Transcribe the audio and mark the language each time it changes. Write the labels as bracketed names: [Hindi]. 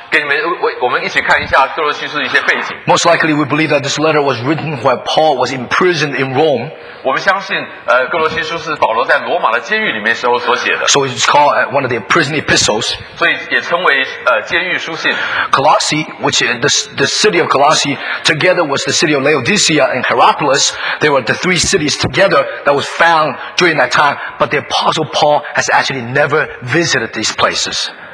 [Chinese] 给你们，我们一起看一下哥罗西书的一些背景。 [English] Most likely, we believe that this letter was written while Paul was imprisoned in Rome. [Chinese] 我们相信，哥罗西书是保罗在罗马的监狱里面时候所写的。 [English] So it's called one of the prison epistles. [Chinese] 所以也称为监狱书信。Colossae, [English] which is the city of Colossae, together was the city of Laodicea and Hierapolis. They were the three cities together that was found during that time, but the Apostle Paul has actually never visited these places.